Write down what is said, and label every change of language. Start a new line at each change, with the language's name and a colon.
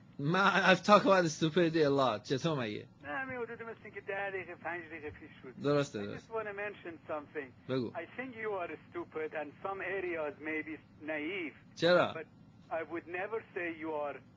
English: I've talked about the stupidity a lot.
Persian: چطور مگه؟ نه، همین حدود مثل اینکه 10 دقیقه 5 دقیقه پیش بود. درسته.
English: I just want to mention something.
Persian: بگو.
English: I think you are stupid and some areas maybe naive.
Persian: چرا؟
English: But I would never say you are...